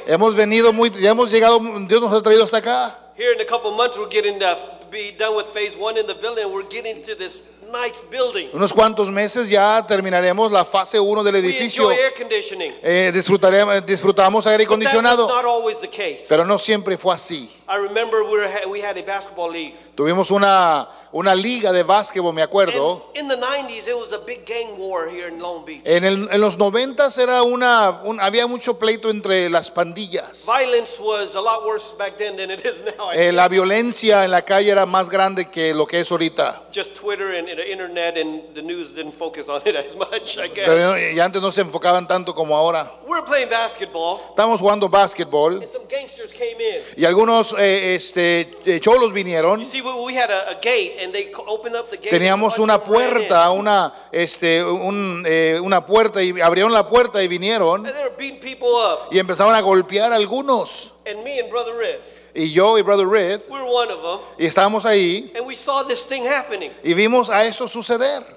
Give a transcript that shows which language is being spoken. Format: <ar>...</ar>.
<es>Hemos venido hemos llegado, Dios nos ha traído hasta acá.</es> <en>Here in a couple of months we're getting to be done with phase one in the building and we're getting to this nice building.</en> <es>Unos cuantos meses ya terminaremos la fase 1 del edificio.</es> <en>We enjoy air conditioning.</en> <es>Disfrutamos aire acondicionado.</es> <en>But that was not always the case.</en> <es>Pero no siempre fue así.</es> <en>I remember we had a basketball league.</en> <es>Tuvimos una liga de básquetbol, me acuerdo.</es> <en>And in the 90s it was a big gang war here in Long Beach.</en> <es>En los 90s era había mucho pleito entre las pandillas.</es> <en>Violence was a lot worse back then than it is now.</en> <es>La violencia en la calle era más grande que lo que es ahorita.</es> <en>Just Twitter and the internet and the news didn't focus on it as much, I guess.</en> <es>Pero ya antes no se enfocaban tanto como ahora.</es> <en>We're playing basketball.</en> <es>Estamos jugando basketball.</es> <en>And some gangsters came in.</en> <es>Y algunos cholos vinieron.</es> <en>You see, we had a gate and they opened up the gate.</en> <es>Teníamos una puerta, una puerta y abrieron la puerta y vinieron.</es> <en>And they were beating people up.</en> <es>Y empezaban a golpear a algunos.</es> <en>And me and Brother Riff.</en> <es>Y yo y Brother Riff,</es> <en>we're one of them,</en> <es>y estábamos ahí,</es> <en>and we saw this thing happening.</en> <es>Y vimos a esto suceder.</es>